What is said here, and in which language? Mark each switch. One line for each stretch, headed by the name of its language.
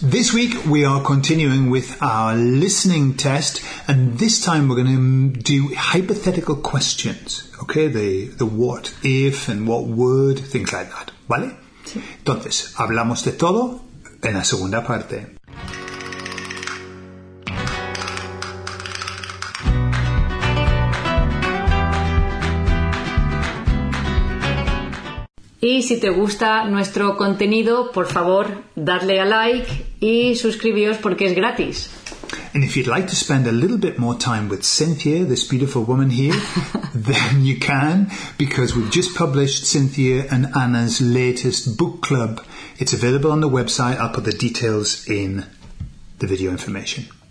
English: This week we are continuing with our listening test, and this time we're going to do hypothetical questions. Okay, the what if and what would, things like that.
Spanish: ¿Vale? Sí. Entonces, hablamos de todo en la segunda parte. Y si te gusta nuestro contenido, por favor, dadle a like y suscribíos porque es gratis.
English: And if you'd like to spend a little bit more time with Cynthia, this beautiful woman here, then you can, because we've just published Cynthia and Anna's latest book club. It's available on the website. I'll put the details in the video information.